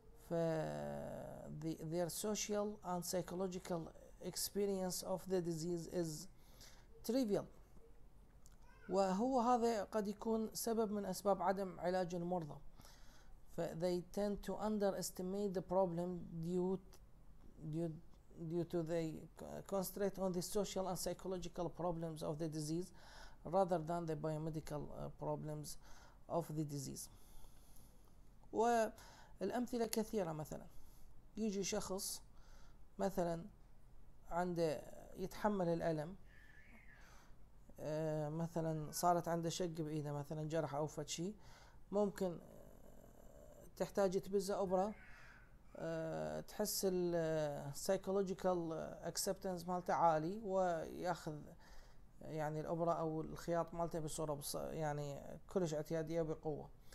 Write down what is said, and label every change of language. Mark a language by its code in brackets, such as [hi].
[en] Their social and psychological experience of the disease is trivial. [ar] وهو هذا قد يكون سبب من أسباب عدم علاج المرضى. [en] They tend to underestimate the problem due to they concentrate on the social and psychological problems of the disease rather than the biomedical problems of the disease. [ar] والأمثلة كثيرة. مثلا يجي شخص مثلا عنده يتحمل الألم، مثلا صارت عنده شق بإيده، مثلا جرح أو فتشي، ممكن تحتاج تبزه أبرة، تحس [en] السايكولوجيكال اكسبتنس [ar] مالته عالي، وياخذ يعني الابره او الخياط مالته بصوره يعني كلش اعتياديه بقوه.